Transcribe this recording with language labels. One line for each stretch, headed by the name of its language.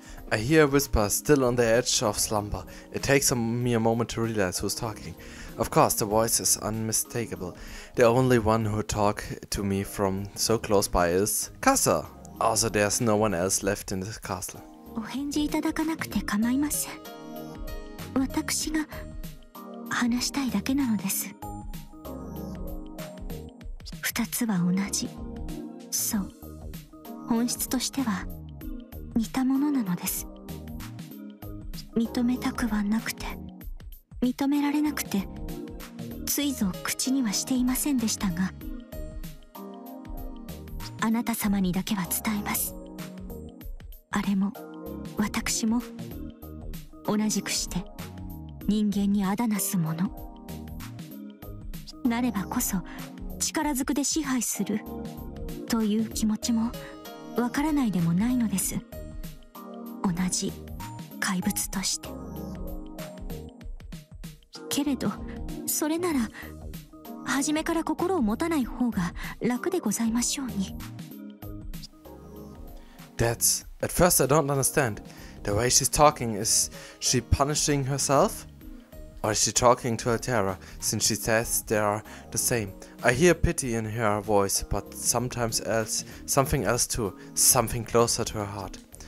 English: I hear a whisper still on the edge of slumber. It takes me a moment to realize who's talking. Of course, the voice is unmistakable. The only one who talk to me from so close by is Casa. Also, there's no one else left in this castle.
Japanese: お返事いただかなくて構いません。私が話したいだけなのです。二つは同じ。そう。本質としては似たものなのです。認めたくはなくて、認められなくて、ついぞ口にはしていませんでしたが、あなた様にだけは伝えます。あれも私も同じくして人間にあだなすものなればこそ力ずくで支配するという気持ちもわからないでもないのです。同じ怪物として。けれどそれなら初めから心を持たない方が楽でございましょうに。
English: That's... At first I don't understand. The way she's talking, is she punishing herself? Or is she talking to Altera, since she says they are the same? I hear pity in her voice, but sometimes else, something else too, something closer to her heart.